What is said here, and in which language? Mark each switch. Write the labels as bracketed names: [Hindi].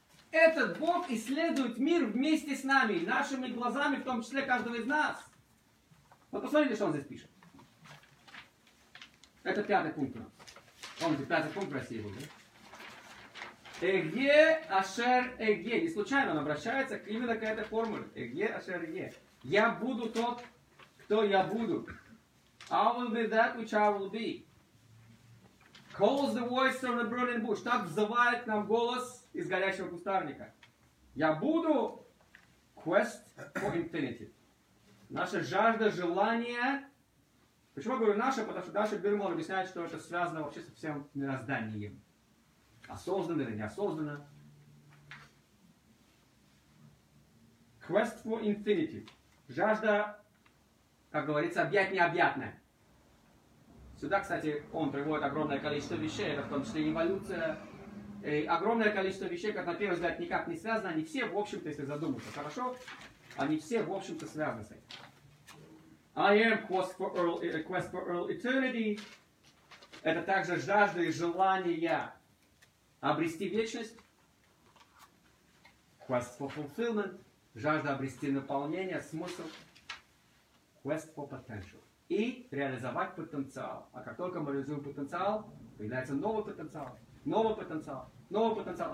[Russian] Этот Бог исследует мир вместе с нами, нашими глазами, в том числе каждого из нас. Вот посмотрите, что он здесь пишет. Это пятый пункт у нас. Помните, пятый пункт в России был, да? [Hebrew] Эге, ашер, эге. [Russian] Не случайно он обращается именно к этой формуле. [Hebrew] Эге, ашер, эге. [Russian] Я буду тот, кто я буду. [English] I will be that which I will be. Calls the voice from the burning bush. [Russian] Так взывает нам голос из горящего кустарника. Я буду [English] quest for infinity. [Russian] Наша жажда, желание. Почему я говорю наша? Потому что Даша Бирюльбаум объясняет, что это связано вообще со всем мирозданием. Осознанно или неосознанно. [English] Quest for infinity. [Russian] Жажда, как говорится, объять необъятное. Сюда, кстати, он приводит огромное количество вещей, это в том числе эволюция. И огромное количество вещей, как на первый взгляд, никак не связано. Они все, в общем-то, если задуматься хорошо, они все, в общем-то, связаны с этим. [English] I am quest for all eternity. [Russian] Это также жажда и желание обрести вечность. [English] Quest for fulfillment. [Russian] Жажда обрести наполнение, смысл. [English] Quest for potential. [Russian] И реализовать потенциал. А как только мы реализуем потенциал, появляется новый потенциал, новый потенциал, новый потенциал.